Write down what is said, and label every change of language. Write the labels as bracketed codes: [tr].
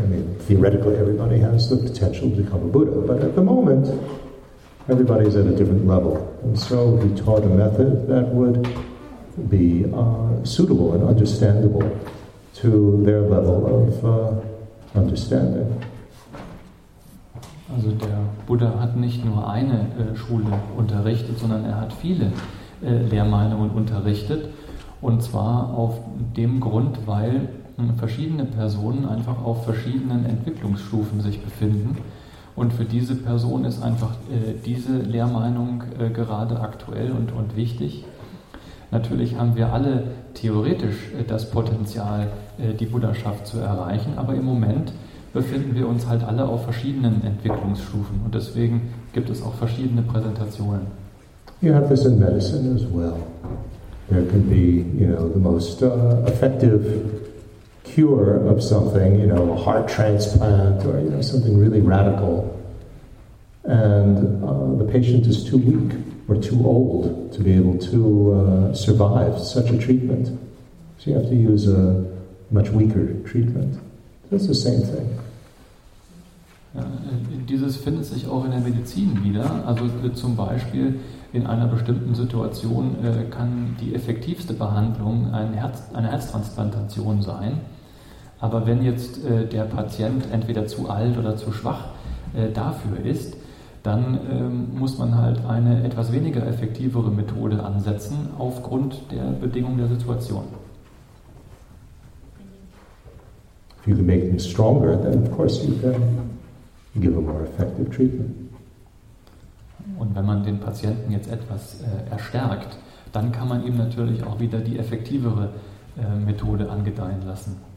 [en] I mean, theoretically, everybody has the potential to become a Buddha, but at the moment, everybody's at a different level. And so he taught a method that would be suitable and understandable to their level of understanding. [de] Also der Buddha hat nicht nur eine Schule unterrichtet, sondern er hat viele Lehrmeinungen unterrichtet. Und zwar auf dem Grund, weil verschiedene Personen einfach auf verschiedenen Entwicklungsstufen sich befinden. Und für diese Person ist einfach diese Lehrmeinung gerade aktuell und wichtig. Natürlich haben wir alle theoretisch das Potenzial, die Buddhaschaft zu erreichen, aber im Moment befinden wir uns halt alle auf verschiedenen Entwicklungsstufen und deswegen gibt es auch verschiedene Präsentationen. [en] You have this in medicine as well. There can be, you know, the most effective cure of something, you know, a heart transplant or, you know, something really radical, and the patient is too weak or too old to be able to survive such a treatment. So you have to use a much weaker treatment. That's the same thing. [de] Dieses findet sich auch in der Medizin wieder. Also zum Beispiel in einer bestimmten Situation kann die effektivste Behandlung eine Herztransplantation sein. Aber wenn jetzt der Patient entweder zu alt oder zu schwach dafür ist, dann muss man halt eine etwas weniger effektivere Methode ansetzen aufgrund der Bedingungen der Situation. [en] If you can make them stronger, then of course you can give a more effective treatment. [de] Und wenn man den Patienten jetzt etwas erstärkt, dann kann man ihm natürlich auch wieder die effektivere Methode angedeihen lassen.